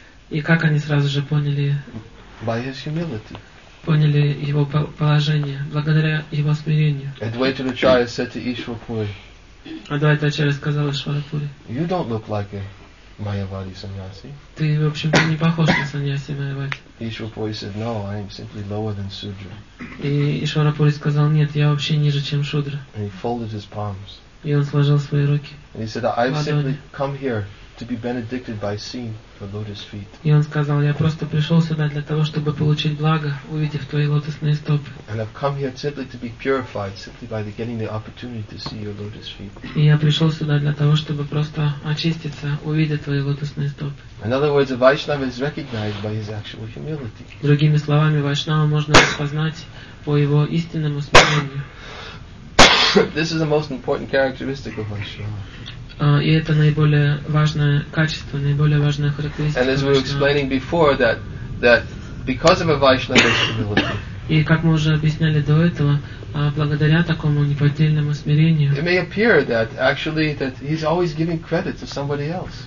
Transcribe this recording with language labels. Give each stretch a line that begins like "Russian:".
Russian: И как они сразу же поняли?
English: By his humility.
Russian: поняли его положение благодаря его смирению.
English: Advaita Acharya said to Ishwarpuri.
Russian: Advaita Acharya сказал Ишварапури.
English: You don't look like a Mayavadi sannyasi.
Russian: Ты в общем-то не похож на саньяси Майявади.
English: Ишварапури said, No, I am simply lower than Sudra.
Russian: И Ишварапури сказал, нет, я вообще ниже, чем Шудра.
English: And he folded his palms.
Russian: И он сложил свои руки.
English: And he said, I've simply come here to be benedicted by seeing the lotus feet.
Russian: И он сказал, я просто пришел сюда для того, чтобы получить благо, увидев твои лотосные стопы.
English: And I've come here simply to be purified, simply by getting the opportunity to see your lotus feet.
Russian: И я пришел сюда для того, чтобы просто очиститься, увидев твои лотосные стопы.
English: In other words, a Vaishnava is recognized by his actual humility.
Russian: Другими словами, Вайшнава можно распознать по его истинному смирению.
English: This is the most important characteristic of Vaishnava.
Russian: И это наиболее важное качество, наиболее важная характеристика.
English: And as we were explaining before, that because of a Vaishnava's humility.
Russian: И как мы уже объясняли до этого, благодаря такому неподдельному смирению.
English: It may appear that actually that he's always giving credit to somebody else.